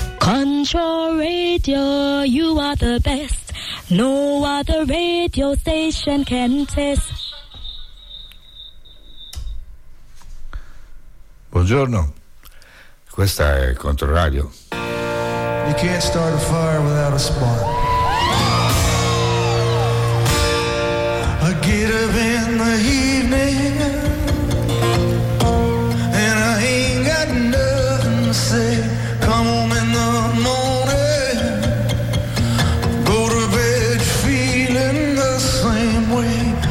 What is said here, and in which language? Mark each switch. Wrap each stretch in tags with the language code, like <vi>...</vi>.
<en>Control Radio, you are the best. No other radio station can test.</en> <it>Buongiorno, questa è Control Radio.</it> <en>You can't start a fire without a spark. I get up in the evening and I ain't got nothing to say. Come home in the morning, go to bed feeling the same way.</en>